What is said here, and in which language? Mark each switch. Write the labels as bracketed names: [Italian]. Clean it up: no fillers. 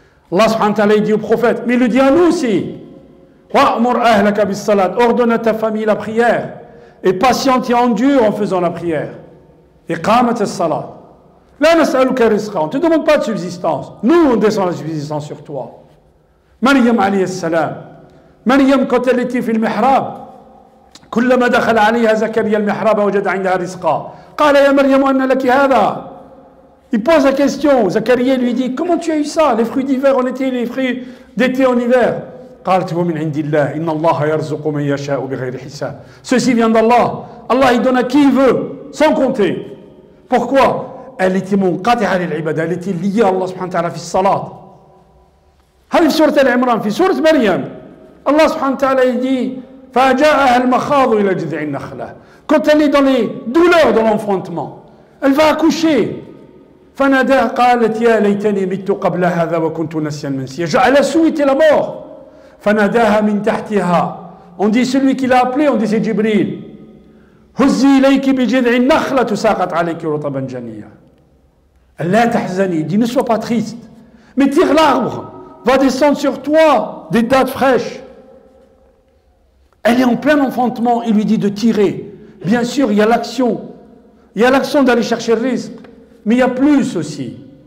[French] Allah subhanahu wa ta'ala dit au prophète, mais il le dit à nous aussi, [Arabic] وَأْمُرْ أَهْلَكَ بِالصَّلَاةِ, [French] ordonne à ta famille la prière, et patiente et endure en faisant la prière. [Arabic] إِقَامَةَ الصَّلَاةِ لَا نَسْأَلُكَ رِزْقًا, [French] on ne te demande pas de subsistance, nous on descend la subsistance sur toi. [Arabic] Maryam alayhi salam, Maryam [French] quand elle était [Arabic] fil mihrab, كلما دخل عليها زكريا المحراب وجد عندها رزقا قال يا مريم أن لك هذا. [French] Il pose la question. Zacharie lui dit, comment tu as eu ça, les fruits d'hiver en été, les fruits d'été en hiver. [Arabic] قالت هو من عند الله إن الله يرزق من يشاء بغير حساب. [French] Ceci vient d'Allah. Allah il donne à qui il veut sans compter. Pourquoi? Elle était [Arabic] منقطعه للعباده, [French] elle était liée à Allah سبحانه وتعالى [Arabic] في الصلاة. هذه سورة العمران في سورة مريم. Allah سبحانه وتعالى [French] dit, [Arabic] فجاءها المخاض الى جذع النخله. [French] Quand elle est dans les douleurs de l'enfantement, elle va accoucher. [Arabic] فناداها قالت يا ليتني مت قبل هذا وكنت نسيا منسيا. [French] Elle a souhaité la mort. [Arabic] فناداها من تحتها. [French] On dit celui qui l'a appelé, on dit c'est Jibril. [Arabic] هزي اليك بجذع النخله تساقط عليك رطبا جنيا. لا تحزني. [French] Il dit ne sois pas triste. Mais tire l'arbre. Va descendre sur toi des dattes fraîches. Elle est en plein enfantement, il lui dit de tirer. Bien sûr, il y a l'action. Il y a l'action d'aller chercher le risque. Mais il y a plus aussi.